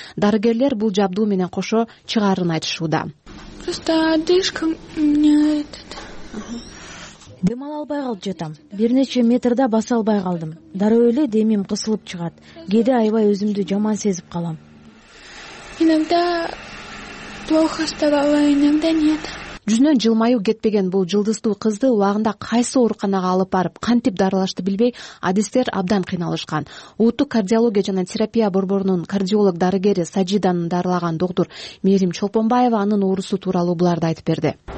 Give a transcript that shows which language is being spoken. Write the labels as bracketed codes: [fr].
[ky] Дарыгерлер бул жабдуу менен кошо чыгарын айтышууда. [ru] Просто одышка меняет. [ky] Дем ала албай калып жатам. Бир нече метрде баса албай калдым. Дароо эле демим кысылып чыгат. Кээде аябай өзүмдү жаман сезип калам. [ru] Иногда плохо стало, иногда нет. [ky] Жүзүнөн жылмаюу кетпеген бул жылдыздуу кызды убагында кайсы ооруканага алып барып, кантип дарылашты билбей, адистер абдан кыйналышкан. Улуттук кардиология жана терапия борборунун кардиолог дарыгери Сажиданы дарылаган доктор Мээрим Чолпонбаева анын оорусу тууралуу буларды айтып берди.